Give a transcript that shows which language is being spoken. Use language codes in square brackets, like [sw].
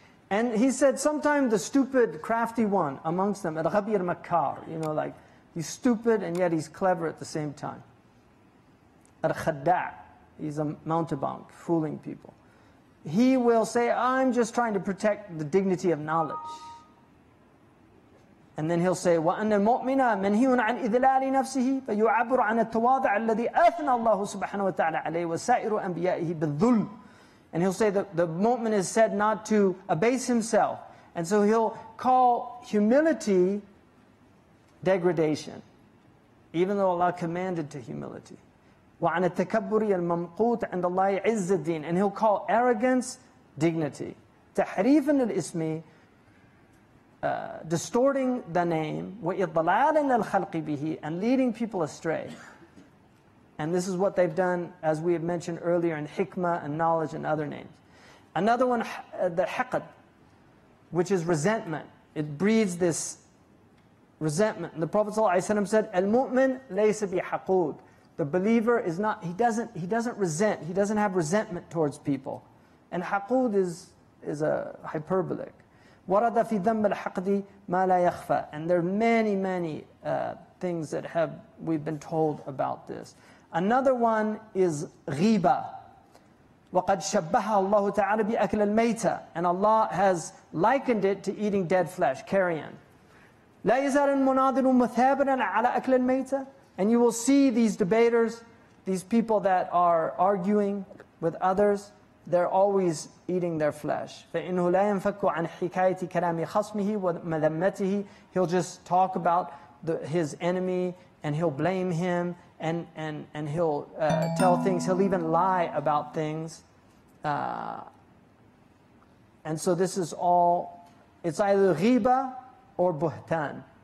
[en] And he said sometimes the stupid, crafty one amongst them, al-ghabi al-makkar, you know, like he's stupid and yet he's clever at the same time. Al-khadda'. He's a mountebank, fooling people. He will say, I'm just trying to protect the dignity of knowledge. And then he'll say, [ar] وَأَنَّ الْمُؤْمِنَ مَنْهِيٌ عَنْ إِذْلَالِ نَفْسِهِ فَيُعَبُرُ عَنَ التَّوَاضَعَ الَّذِي أَثْنَى اللَّهُ سُبْحَانَهُ وَتَعَالَى عَلَيْهِ وَسَائِرُ أَنْبِيَائِهِ بِالذُّلْ. [en] And he'll say that the mu'min is said not to abase himself. And so he'll call humility degradation, even though Allah commanded to humility. [ar] وعن التكبر الممقوت عند الله عز الدين. [en] And he'll call arrogance dignity. [ar] تحريف الاسم, [en] distorting the name, [ar] وإضلال الخلق به, [en] and leading people astray. And this is what they've done, as we have mentioned earlier, in hikmah and knowledge and other names. Another one, the حقد, which is resentment. It breeds this resentment. And the Prophet ﷺ said, [ar] المؤمن ليس بحقود. [en] The believer is not, he doesn't resent, he doesn't have resentment towards people. And حقود is a hyperbolic. [ar] ورد في ذنب الحقد ما لا يخفى. [en] And there are many, many things that we've been told about this. Another one is غيبة. [ar] وقد شبهها الله تعالى بأكل الميتة. [en] And Allah has likened it to eating dead flesh, carrion. [ar] لا يزال المناظر مثابرا على أكل الميتة. [en] And you will see these debaters, these people that are arguing with others, they're always eating their flesh. [ar] فإنه لا ينفك عن حكاية كلام خصمه ومذمته. [en] He'll just talk about his enemy and he'll blame him. And he'll tell things, he'll even lie about things. And so this is all, it's either ghiba or buhtan.